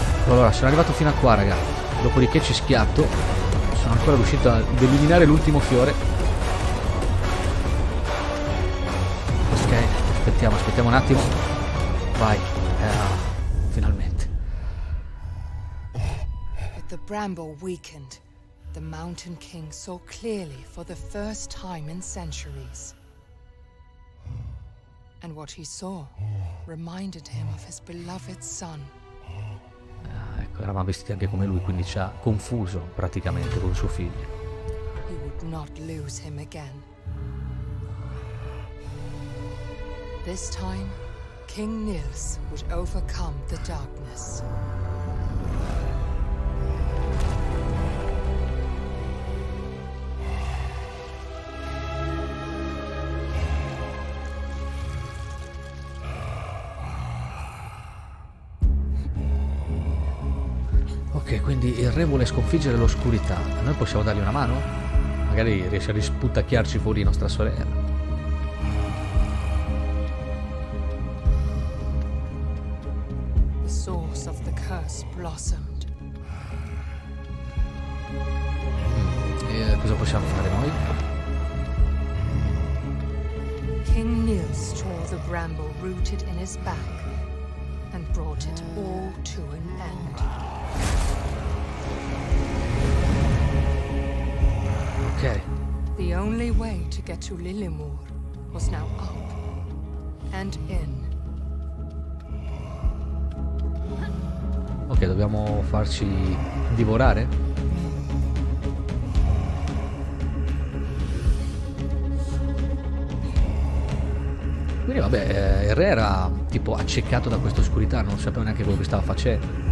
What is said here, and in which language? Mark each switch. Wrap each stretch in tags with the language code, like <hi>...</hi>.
<it>Allora, sono arrivato fino a qua, raga. Dopodiché ci schiatto. Sono ancora riuscito ad eliminare l'ultimo fiore. Ok, aspettiamo, aspettiamo un attimo. Vai. finalmente.</it> <en>But the bramble weakened. The Mountain King saw clearly for the first time in centuries. And what he saw reminded him of his beloved son.</en> <it>Ecco, eravamo vestiti anche come lui, quindi ci ha confuso praticamente con suo figlio.</it> <en>He would not lose him again. This time, King Nils would overcome the darkness.</en> <it>Ok, quindi il re vuole sconfiggere l'oscurità. Noi possiamo dargli una mano? Magari riesce a risputtacchiarci fuori nostra sorella. E cosa possiamo fare noi?</it> <en>King Nils tore the bramble rooted in his back and brought it all to an end. Ok. The only way to get to Lilimur was now up and in.</en> <it>Ok, dobbiamo farci divorare? Quindi vabbè, il re era tipo accecato da questa oscurità, non sapeva neanche quello che stava facendo.</it>